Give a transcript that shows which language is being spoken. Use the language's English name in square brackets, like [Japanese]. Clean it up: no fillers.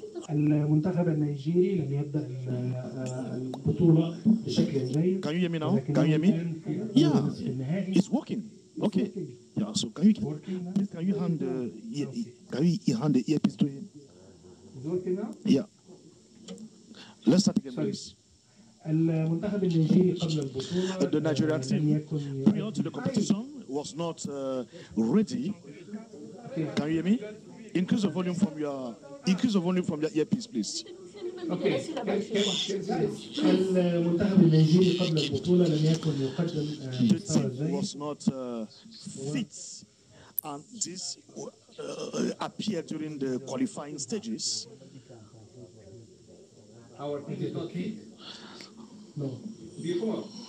[Arabic] المنتخب النيجيري لم يبدأ البطولة بشكل جيد. [English] Can you hear me now? Can you hear me? Yeah. It's working. Okay. Yeah. So can you please can you hand the earpiece to him? Is it working now? Yeah. Let's start again, please. [Arabic] المنتخب النيجيري قبل البطولة. [English] The Nigerian team prior to the competition was not ready. Okay. Can you hear me? Increase the volume from your earpiece, please. Okay. [Arabic] المنتخب النيجيري قبل البطولة لم يكن يقدم مستوى جيد. [English] The team was not fit, and this appeared during the qualifying stages. Our team is not fit. No. Before.